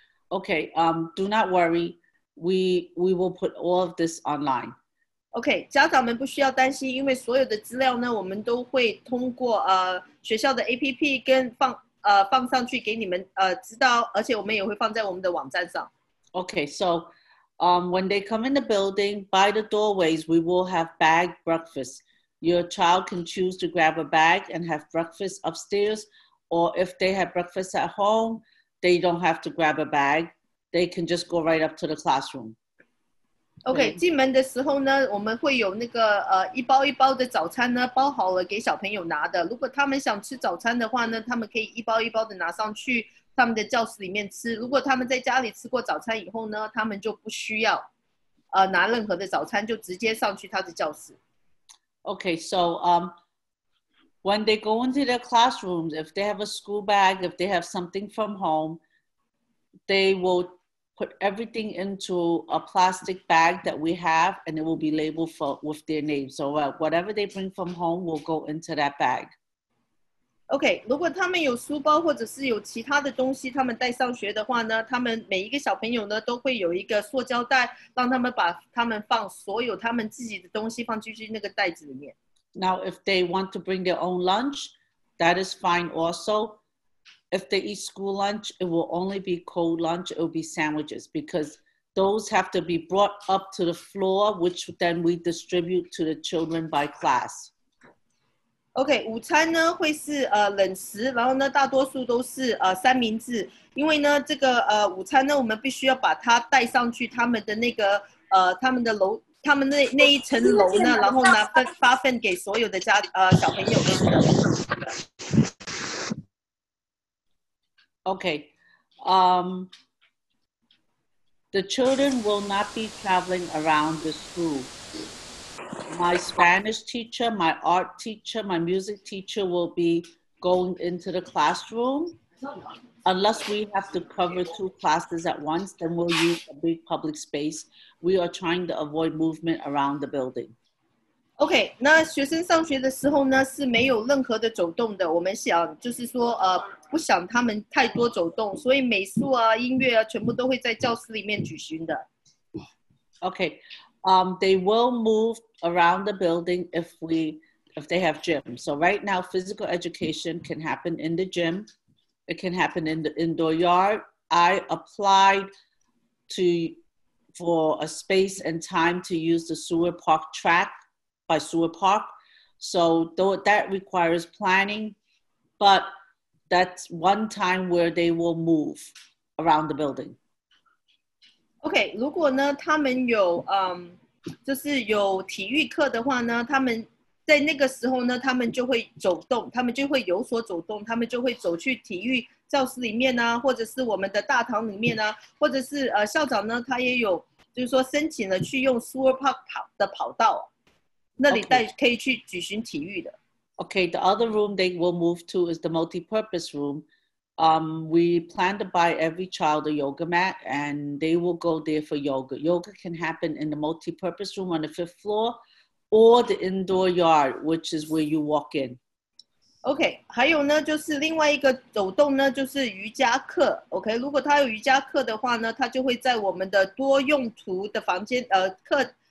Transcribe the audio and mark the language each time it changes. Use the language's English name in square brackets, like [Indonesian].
[English] Okay, do not worry. We will put all of this online. [Chinese] Okay, 家长们不需要担心，因为所有的资料呢，我们都会通过学校的 APP 跟放上去给你们知道，而且我们也会放在我们的网站上。 [English] Okay, so, when they come in the building by the doorways, we will have bag breakfast. Your child can choose to grab a bag and have breakfast upstairs, or if they have breakfast at home, they don't have to grab a bag. They can just go right up to the classroom. [Chinese] Okay, 进门的时候呢，我们会有那个一包一包的早餐呢，包好了给小朋友拿的。如果他们想吃早餐的话呢，他们可以一包一包的拿上去他们的教室里面吃。如果他们在家里吃过早餐以后呢，他们就不需要拿任何的早餐，就直接上去他的教室。 [English] Okay, so when they go into their classrooms, if they have a school bag, if they have something from home, they will. Put everything into a plastic bag that we have, and it will be labeled with their name. So whatever they bring from home will go into that bag. [Chinese] Okay, 如果他们有书包或者是有其他的东西他们带上学的话呢，他们每一个小朋友呢都会有一个塑胶袋，让他们把他们放所有他们自己的东西放进去那个袋子里面。 [English] Now, if they want to bring their own lunch, that is fine also. If they eat school lunch, it will only be cold lunch. It will be sandwiches because those have to be brought up to the floor, which then we distribute to the children by class. [Chinese] Okay, 午餐呢会是冷食，然后呢大多数都是三明治，因为呢这个午餐呢我们必须要把它带上去他们的那个他们的楼，他们那一层楼呢，然后呢发份给所有的家小朋友。 [English] Okay, the children will not be traveling around the school. My Spanish teacher, my art teacher, my music teacher will be going into the classroom. Unless we have to cover two classes at once, then we'll use a big public space. We are trying to avoid movement around the building. [Chinese] OK, 那学生上学的时候呢是没有任何的走动的，我们想就是说不想他们太多走动，所以美术啊音乐啊全部都会在教室里面举行的。 [English] OK, they will move around the building if they have gym. So right now physical education can happen in the gym, it can happen in the indoor yard. I applied for a space and time to use the sewer park track. By sewer park, so though that requires planning, but that's one time where they will move around the building. [Chinese] OK， 如果呢，他们有就是有体育课的话呢，他们在那个时候呢，他们就会走动，他们就会有所走动，他们就会走去体育教室里面呢，或者是我们的大堂里面呢，或者是校长呢，他也有就是说申请了去用 Sewer Park 的跑道。那里带可以去举行体育的。Okay, [English] the other room they will move to is the multi-purpose room. We plan to buy every child a yoga mat, and they will go there for yoga. Yoga can happen in the multi-purpose room on the fifth floor, or the indoor yard, which is where you walk in. [Chinese] Okay, 还有呢，就是另外一个走动呢，就是瑜伽课. Okay, 如果他有瑜伽课的话呢，他就会在我们的多用途的房间，课。